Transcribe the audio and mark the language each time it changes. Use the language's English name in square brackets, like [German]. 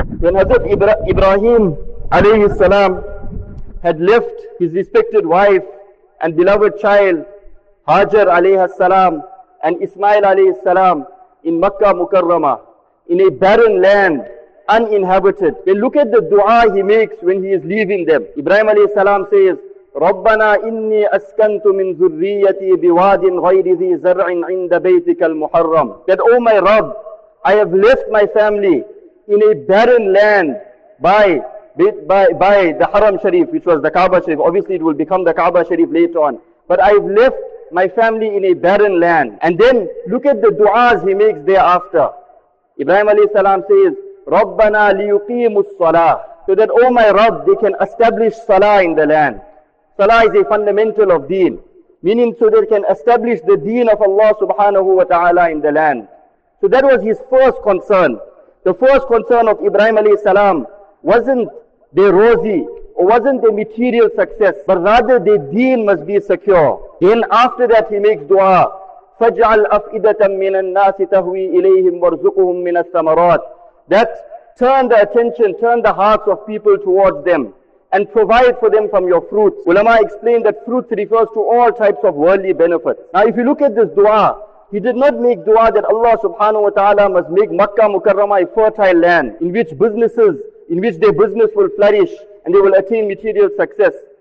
[English] When Hazrat Ibrahim alayhi salam had left his respected wife and beloved child Hajar alayhi salam and Ismail alayhi salam in Makkah Mukarrama, in a barren land, uninhabited, then look at the dua he makes when he is leaving them. Ibrahim alayhi salam says, [Arabic] رَبَّنَا إِنِّي أَسْكَنْتُ مِنْ ذُرِّيَّتِي بِوَادٍ غَيْرِ ذِي زَرْعٍ عِنْدَ بَيْتِكَ الْمُحَرَّمِ. [English] That, oh my Rabb, I have left my family in a barren land by the Haram Sharif, which was the Kaaba Sharif. Obviously, it will become the Kaaba Sharif later on. But I have left my family in a barren land. And then look at the du'as he makes thereafter. Ibrahim alayhi salam says, [Arabic] رَبَّنَا لِيُقِيمُ الصَّلَاةِ. [English] So that, oh my Rabb, they can establish salah in the land. Salah is a fundamental of deen, meaning so they can establish the deen of Allah subhanahu wa ta'ala in the land. So that was his first concern. The first concern of Ibrahim alayhi salam wasn't their rosy or wasn't their material success, but rather their deen must be secure. Then after that he makes dua, [Arabic] فَجْعَلْ أَفْئِدَةً مِّنَ النَّاسِ تَهْوِي إِلَيْهِمْ وَارْزُقُهُمْ مِّنَ الثَّمَرَاتِ. [English] That turn the attention, turn the hearts of people towards them and provide for them from your fruits. Ulama explained that fruits refers to all types of worldly benefits. Now if you look at this dua, he did not make dua that Allah subhanahu wa ta'ala must make Makkah Mukarramah a fertile land in which businesses, in which their business will flourish and they will attain material success.